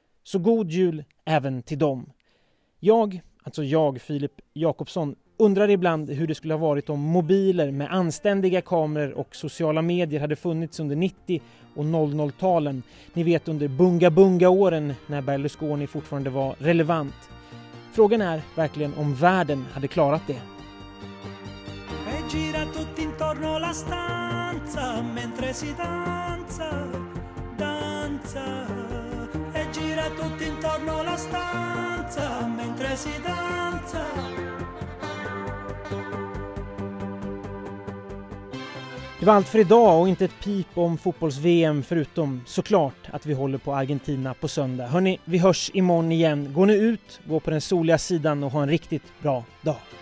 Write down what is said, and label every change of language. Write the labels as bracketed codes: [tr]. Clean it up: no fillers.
[sv] Så god jul även till dem. Jag, Filip Jakobsson, undrar ibland hur det skulle ha varit om mobiler med anständiga kameror och sociala medier hade funnits under 90- och 00-talen. Ni vet, under bunga-bunga-åren när Berlusconi fortfarande var relevant. Frågan är verkligen om världen hade klarat det. [it] E gira tutto intorno la stanza mentre si danza, danza. E gira tutto... tutti intorno la stanza mentre si danza. [sv] Det var allt för idag och inte ett pip om fotbolls-VM förutom såklart att vi håller på Argentina på söndag. Hörrni, vi hörs imorgon igen. Gå nu ut, gå på den soliga sidan och ha en riktigt bra dag.